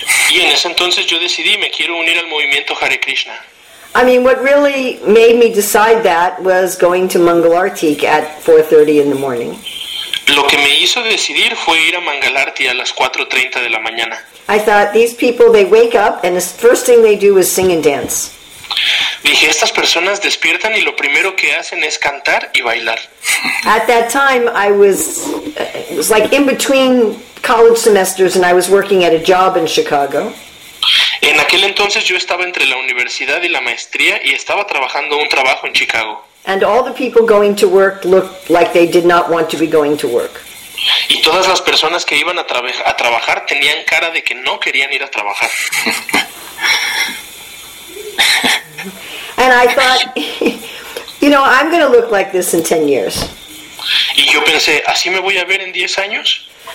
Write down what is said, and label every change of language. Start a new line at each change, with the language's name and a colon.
Spanish: Y en ese entonces yo decidí, me quiero unir al movimiento Hare Krishna.
English: I mean, what really made me decide that was going to Mangalarti at 4:30 in the morning.
Spanish: Lo que me hizo decidir fue ir a Mangalarti a las 4:30 de la mañana.
English: I thought, these people, they wake up and the first thing they do is sing and dance.
Spanish: Dije, estas personas despiertan y lo primero que hacen es cantar y bailar.
English: At that time, it was like in between college semesters and I was working at a job in Chicago.
Spanish: En aquel entonces yo estaba entre la universidad y la maestría y estaba trabajando un trabajo en Chicago.
English: And all the people going to work looked like they did not want to be going to work.
Spanish: Y todas las personas que iban a trabajar tenían cara de que no querían ir a trabajar.
English: And I thought, you know, I'm going to look like this in 10 years.
Spanish: Y yo pensé, ¿así me voy a ver en 10 años?